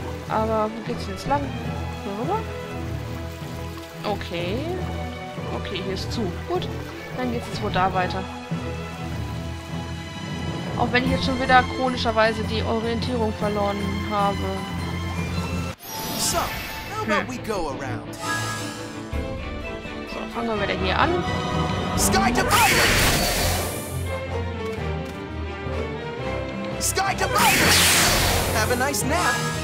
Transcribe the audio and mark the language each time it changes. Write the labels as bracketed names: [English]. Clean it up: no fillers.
[German] Aber wo geht's denn jetzt lang? Rüber? Okay. Okay, hier ist zu. Gut. Dann geht's jetzt wohl da weiter. Auch wenn ich jetzt schon wieder chronischerweise die Orientierung verloren habe. [English] So, how about we go around? [German] So, fangen wir wieder hier an. [English] Sky to fire! Sky to fire! Have a nice nap!